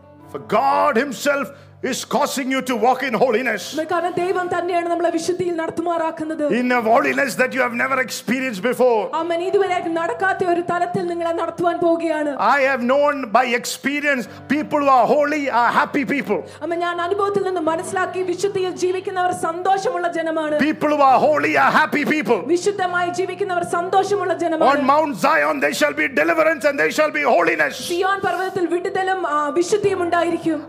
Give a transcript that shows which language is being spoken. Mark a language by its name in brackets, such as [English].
[English] For God himself is causing you to walk in holiness. [Malayalam] മകനെ, ദൈവം തന്നെയാണ് നമ്മളെ വിശുദ്ധിയിൽ നടത്തുമാറാക്കുന്നത്. [English] In a holiness that you have never experienced before. [Malayalam] അമ്മേ, ഇതുവരെ നടക്കാത്ത ഒരു തലത്തിൽ നിങ്ങളെ നടത്തുവാൻ പോവുകയാണ്. [English] I have known by experience people who are holy are happy people. [Malayalam] അമ്മേ, ഞാൻ അനുഭവത്തിൽ നിന്ന് മനസ്സിലാക്കി വിശുദ്ധിയിൽ ജീവിക്കുന്നവർ സന്തോഷമുള്ള ജനമാണ്. [English] People who are holy are happy people. [Malayalam] വിശുദ്ധമായി ജീവിക്കുന്നവർ സന്തോഷമുള്ള ജനമാണ്. [English] On Mount Zion there shall be deliverance and there shall be holiness. [Malayalam] Zion പർവ്വതത്തിൽ വിടുതലും വിശുദ്ധിയും ഉണ്ടായിരിക്കും.